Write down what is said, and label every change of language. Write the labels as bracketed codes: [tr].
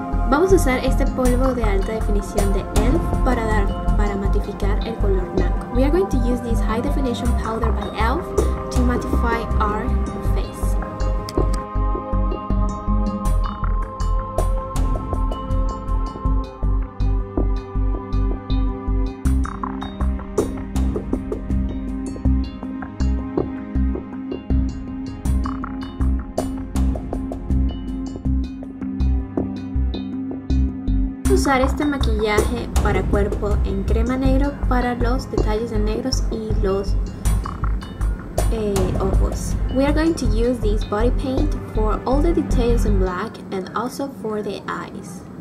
[es] Vamos a usar este polvo de alta definición de ELF para matificar el color blanco. [en] We are going to use this high definition powder by ELF to mattify our face. [es] Usar este maquillaje para cuerpo en crema negro para los detalles de negros y los ojos. [en] We are going to use this body paint for all the details in black and also for the eyes.